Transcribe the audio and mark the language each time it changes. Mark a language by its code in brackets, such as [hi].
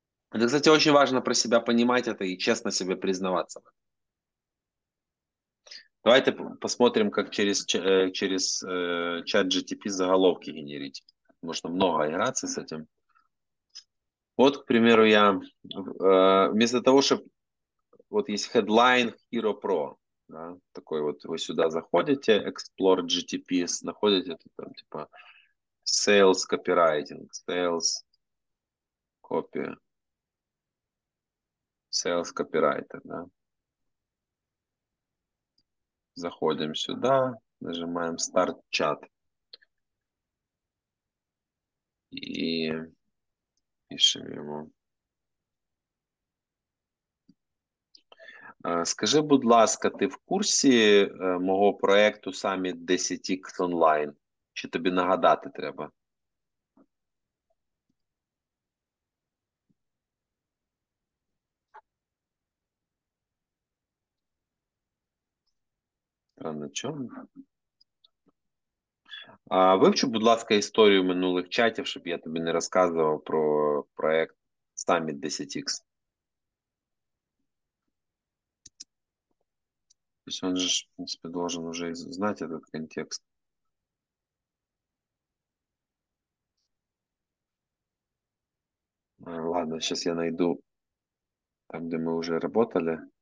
[ru] Это, кстати, очень важно про себя понимать это и честно себе признаваться. Давайте посмотрим, как через чат GTP заголовки генерить. Можно много играться с этим. Вот, к примеру, я вместо того, чтобы... Вот есть headline Hero Pro. Да, такой вот вы сюда заходите, Explore GTP, находите тут там типа Sales Copywriting, Sales Copy. Sales Copywriter, да. Заходим сюда, Нажимаем старт чат. И пишем ему. [uk] Скажи, будь ласка, ти в курсі мого проєкту Summit 10X Online? Чи тобі нагадати треба? А на чому? А вивчи, будь ласка, історію минулих чатів, щоб я тобі не розказував про проєкт Summit 10X. [ru] Он же, в принципе, должен уже знать этот контекст. Ладно, сейчас я найду там, где мы уже работали.